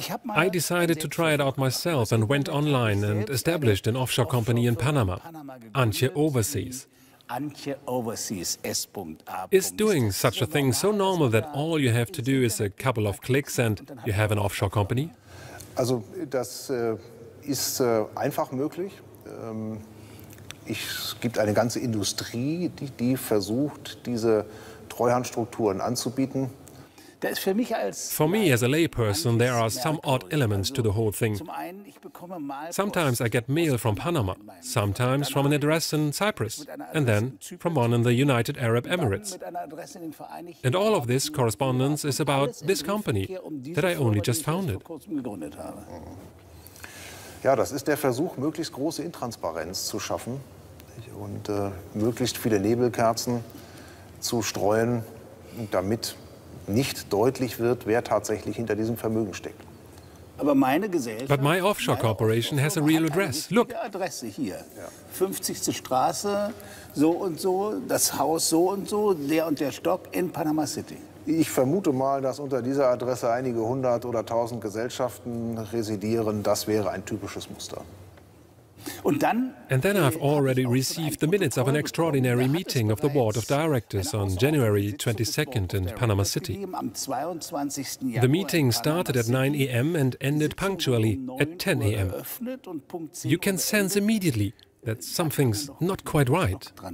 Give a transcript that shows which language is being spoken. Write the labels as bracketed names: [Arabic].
[English] I decided to try it out myself and went online and established an offshore company in Panama, Antje Overseas. Is doing such a thing so normal that all you have to do is a couple of clicks and you have an offshore company? [German] Also, das ist einfach möglich. Es gibt eine ganze Industrie, die versucht, diese Treuhandstrukturen anzubieten. [English] For me, as a layperson, there are some odd elements to the whole thing. Sometimes I get mail from Panama, sometimes from an address in Cyprus, and then from one in the United Arab Emirates. And all of this correspondence is about this company that I only just founded. [German] Ja, das ist der Versuch, möglichst große Intransparenz zu schaffen und möglichst viele Nebelkerzen zu streuen, damit nicht deutlich wird, wer tatsächlich hinter diesem Vermögen steckt. [English] But my offshore corporation has a real address. Look. [German] Adresse hier. 50. Straße, so und so, das Haus so und so, der und der Stock in Panama City. Ich vermute mal, dass unter dieser Adresse einige hundert oder tausend Gesellschaften residieren. Das wäre ein typisches Muster. [English] And then I've already received the minutes of an extraordinary meeting of the board of directors on January 22nd in Panama City. The meeting started at 9 a.m. and ended punctually at 10 a.m. You can sense immediately that something's not quite right.